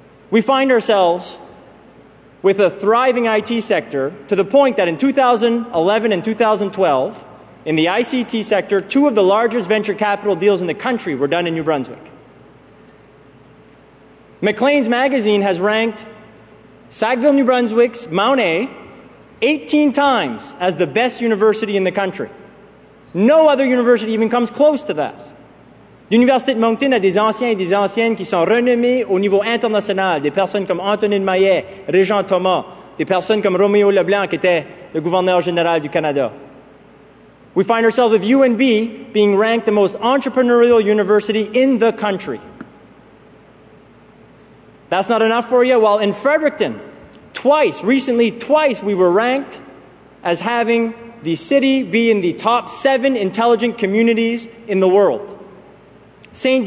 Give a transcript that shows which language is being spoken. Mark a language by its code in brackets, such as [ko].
[en] We find ourselves with a thriving IT sector to the point that in 2011 and 2012, in the ICT sector, two of the largest venture capital deals in the country were done in New Brunswick. Maclean's magazine has ranked Sackville, New Brunswick's Mount A 18 times as the best university in the country. No other university even comes close to that. [fr] L'Université de Moncton a des anciens et des anciennes qui sont renommés au niveau international, des personnes comme Antonin Maillet, Régent Thomas, des personnes comme Roméo Leblanc, qui était le gouverneur général du Canada. [en] We find ourselves with UNB being ranked the most entrepreneurial university in the country. That's not enough for you? Well, in Fredericton, twice, we were ranked as having the city be in the top 7 intelligent communities in the world. St.